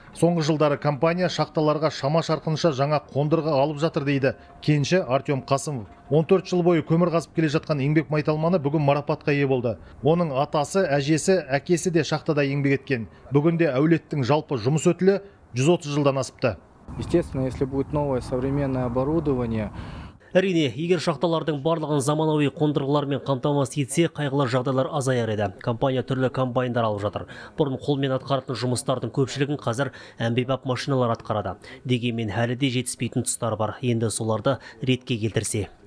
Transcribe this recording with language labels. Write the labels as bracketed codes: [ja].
[kk] Соңғы жылдары компания шахталарға шама шарқынша жаңа қондырғы алып жатыр дейді кенші Артем Қасымов. 14 жыл бойы көмір қазып келе жатқан еңбек майталманы бүгін марапатқа ие болды. Оның атасы, әжесі, әкесі де шахтада еңбек еткен. Бүгінде әулеттің жалпы жұмыс өтілі 130 жылдан асыпты. [ru] Естественно, если будет новое современное оборудование, [kk] Әрине, егер шахталардың барлығын заманауи қондырғылармен қамтамасыз етсе, қайғылы жағдайлар азаяр еді. Компания түрлі комбайндар алып жатыр. Бұрын қолмен атқаратын жұмыстардың көпшілігін қазір әмбебап машиналар атқарады. Дегенмен әлі де жетіспейтін тұстар бар. Енді соларды ретке келтірсе.